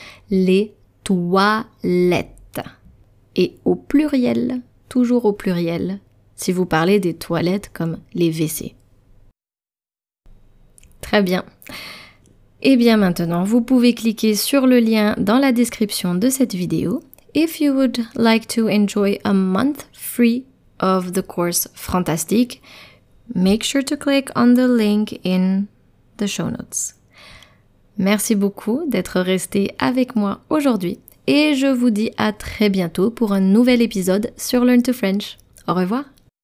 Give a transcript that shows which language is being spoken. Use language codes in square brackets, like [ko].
[fr] Les toilettes. Et au pluriel, toujours au pluriel, si vous parlez des toilettes comme les WC. Très bien. Et bien maintenant, vous pouvez cliquer sur le lien dans la description de cette vidéo. [en] If you would like to enjoy a month free of the course Frantastic, make sure to click on the link in the show notes. [fr] Merci beaucoup d'être resté avec moi aujourd'hui et je vous dis à très bientôt pour un nouvel épisode sur Learn to French. Au revoir!